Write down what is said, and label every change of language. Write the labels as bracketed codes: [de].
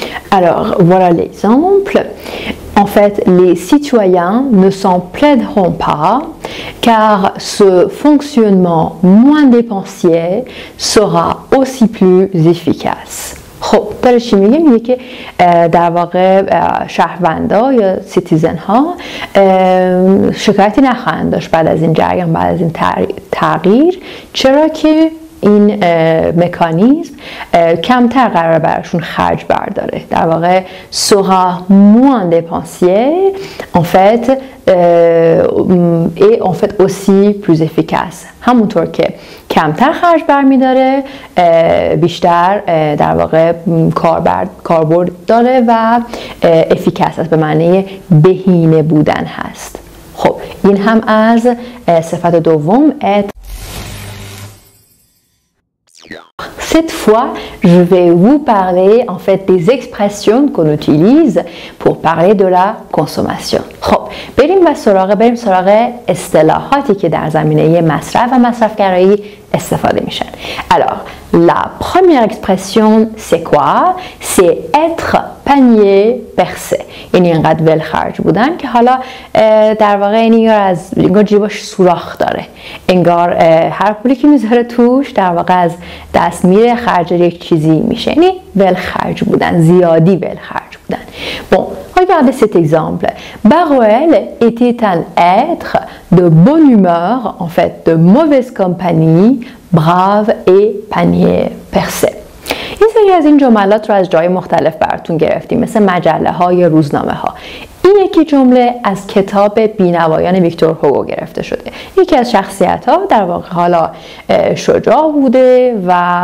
[fr] Alors, voilà l'exemple. En fait, les citoyens ne s'en plaideront pas car ce fonctionnement moins dépensier sera aussi plus efficace. [fa] پرشی میگم اینه که در واقع شهروندا یا سیتیزن ها شکایتی نخواهند داشت بعد از این جریان بعد از این تغییر چرا که این مکانیزم کمتر قرار براشون خرج برداره در واقع سورا موان دپانسیر ان فیت و ان فیت اوسی پلوز افیکاس همونطور که کمتر خرج برمیداره بیشتر در واقع کاربرد داره و افیکاس هست به معنی بهینه بودن هست خب این هم از صفت دوم ات [fr] Cette fois, je vais vous parler en fait des expressions qu'on utilise pour parler de la consommation. [fa] خب، بریم با سراغ اصطلاحاتی که در زمینه مصرف و مصرفگرایی استفاده میشن. [fr] Alors, la première expression, c'est quoi? C'est être panier percé. [fa] یعنی اینقدر ولخرج بودن که حالا در واقع این از اینگار جیبش سوراخ داره. انگار هر پولی که میذاره توش در واقع از دست میره خرج یک چیزی میشه. یعنی ولخرج بودن، زیادی ولخرج بودن. [fr] Bon, regardez cet exemple. Baruel était un être de bonne humeur, en fait de mauvaise compagnie, brave et panier percé. [fa] یه سری از این جملات رو از جای مختلف براتون گرفتیم مثل مجله ها یا روزنامه ها این یکی جمله از کتاب بینوایان ویکتور هوگو گرفته شده یکی از شخصیت ها در واقع حالا شجاع بوده و